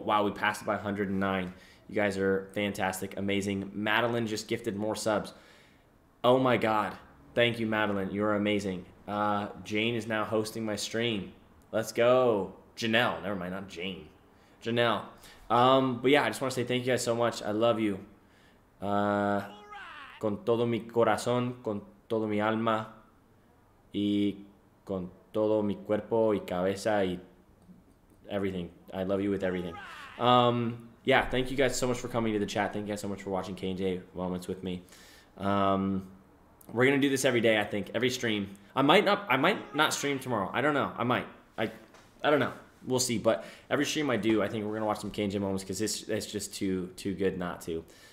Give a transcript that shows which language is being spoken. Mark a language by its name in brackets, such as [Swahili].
[English] Wow, we passed it by 109. You guys are fantastic, amazing. Madeline just gifted more subs. Oh my God. Thank you, Madeline. You're amazing. Jane is now hosting my stream. Let's go. Janelle. Never mind, not Jane. Janelle. But yeah, I just want to say thank you guys so much. I love you. [Spanish] Con todo mi corazón, con todo mi alma, y con todo mi cuerpo y cabeza y [English] everything. I love you with everything. Yeah, thank you guys so much for coming to the chat. Thank you guys so much for watching KNJ Moments with me. We're going to do this every day, I think, every stream. I might not stream tomorrow. I don't know. I might. I don't know. We'll see. But every stream I do, I think we're going to watch some KNJ Moments because it's just too good not to.